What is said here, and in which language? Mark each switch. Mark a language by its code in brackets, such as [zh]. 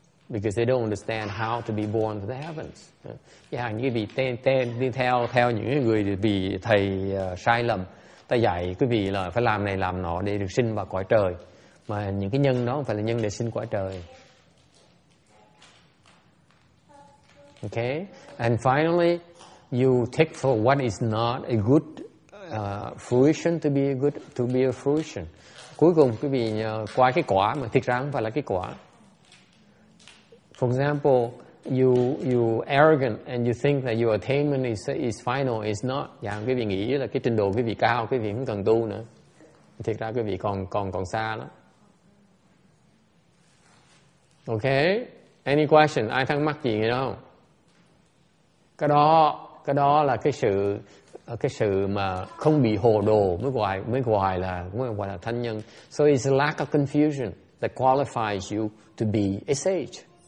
[en] Because they don't understand how to be born to the heavens. [vi] Yeah, quý vị đi theo những người bị thầy sai lầm, ta dạy quý vị là phải làm này làm nọ để được sinh vào cõi trời, mà những cái nhân đó không phải là nhân để sinh cõi trời. [en] Okay, and finally, you take for what is not a good fruition to be a fruition. [vi] Cuối cùng quý vị qua cái quả mà thực ra không phải là cái quả. [en] For example, you arrogant and you think that your attainment is final, is not. [vi] Yeah, quý vị nghĩ là cái trình độ quý vị cao, quý vị không cần tu nữa. Thực ra quý vị còn xa lắm. [en] Okay, any question? [vi] Ai thắc mắc gì nữa không? Cái đó là cái sự mà không bị hồ đồ mới gọi là thánh nhân. [en] So it's a lack of confusion that qualifies you to be a sage.